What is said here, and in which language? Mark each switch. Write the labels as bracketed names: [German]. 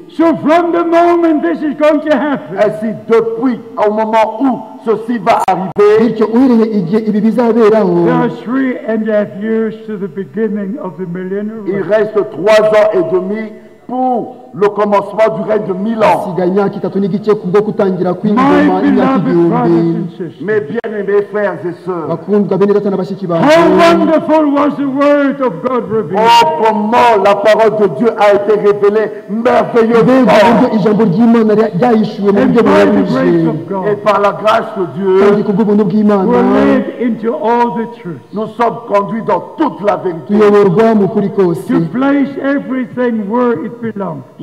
[English] So from the moment this is going to happen. [French] Ainsi, depuis au moment où ceci va arriver. [English] There are 3.5 years to the beginning of the millennium. [French] Il reste 3 ans et demi pour le commencement du règne de 1000 ans. [English] My beloved brothers and sisters. [French] Mes bien-aimés frères et sœurs. [English] How wonderful was the word of God revealed. [French] Oh, comment la parole de Dieu a été révélée merveilleusement. Et par la grâce de Dieu. Et par la grâce de Dieu. [English] We're led into all the truth. [French] Nous sommes conduits dans toute la vérité. [English] To place everything where it belongs.